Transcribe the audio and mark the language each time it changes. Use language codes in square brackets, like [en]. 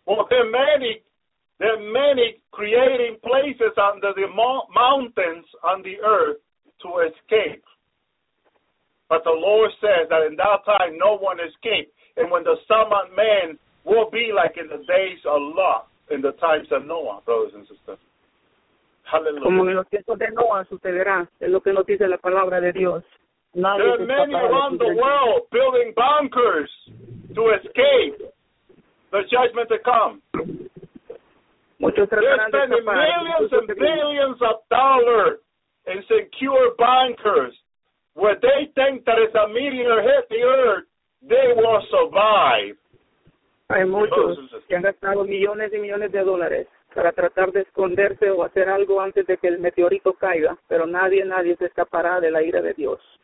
[en] Well, there are many creating places under the mountains on the earth to escape. But the Lord says that in that time no one escaped. And when the Son of Man will be like in the days of Lot, in the times of Noah, brothers and sisters. Hallelujah. [es] Como en los tiempos de Noah sucederá, es lo que nos dice la palabra de Dios. Nadie [en] there are many around the world building bunkers to escape the judgment to come. [es] Muchos [en] they're spending millions and billions of dollars in secure bunkers where they think that if a meteor hit the earth, they will survive. [es] Hay muchos que han gastado millones y millones de dólares para tratar de esconderse o hacer algo antes de que el meteorito caiga, pero nadie se escapará de la ira de Dios.